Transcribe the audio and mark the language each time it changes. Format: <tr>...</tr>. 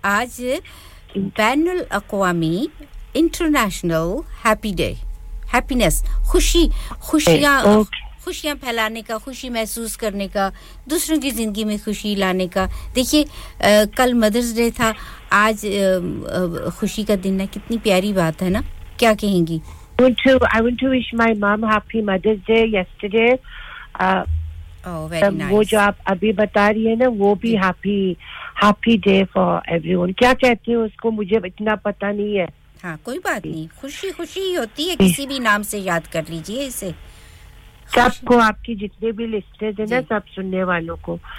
<hi>आज बैनुल अक्वामी international happy day happiness खुशी खुशियां खुशियां फैलाने का खुशी महसूस करने का दूसरों की जिंदगी में खुशी लाने का देखिए कल मदर्स डे था आज खुशी का दिन है कितनी प्यारी बात है ना क्या कहेंगी</hi> <en>I want to wish my mom happy mother's day yesterday very nice</en> <hi>वो जो आप अभी बता रही है ना वो भी</hi> <en>happy day for everyone</en> <hi>क्या कहते हैं उसको मुझे इतना पता नहीं है हां कोई बात नहीं खुशी खुशी ही होती है किसी भी नाम से याद कर लीजिए इसे सबको आपकी जितने भी लिस्टेड है ना सब सुनने वालों को</hi>